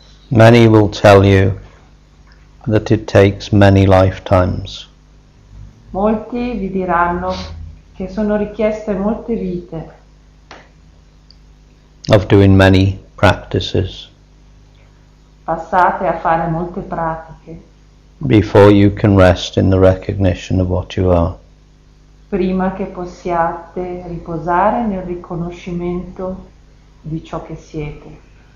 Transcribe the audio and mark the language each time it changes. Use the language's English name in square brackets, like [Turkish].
[English] Many will tell you that it takes many lifetimes. [Italian] Molti vi diranno che sono richieste molte vite [English] Of doing many practices. [Italian] passate a fare molte pratiche. [English] Before you can rest in the recognition of what you are. [Italian] Prima che possiate riposare nel riconoscimento di ciò che siete.